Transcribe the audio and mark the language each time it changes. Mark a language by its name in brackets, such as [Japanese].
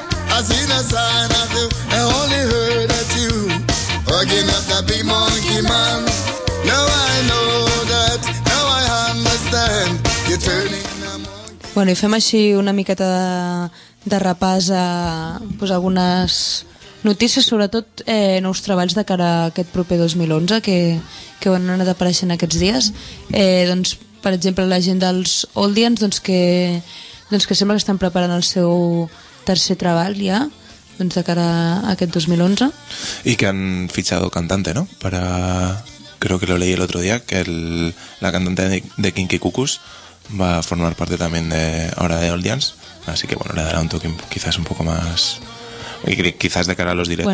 [English] I seen a sign of you, I only heard of you. Hugging up that big monkey man. Now I know that, now I understand. You're turning a monkey. [Catalan] Bueno, i fem així una miqueta de repàs a pues, algunes notícies, sobretot nous treballs de cara a aquest proper 2011 que van anar apareixent aquests dies. Doncs, per exemple, la gent dels Oldians, doncs que sembla que estan preparant el seu tercer treball ya, doncs de cara a aquest 2011. [Spanish] Y que han fichado cantante, ¿no? Para, creo que lo leí el otro día, que el, la cantante de Kinky Cuckoos va a formar parte también de ahora de Oldians, así que bueno, le dará un toque quizás un poco más, y quizás de cara a los directos,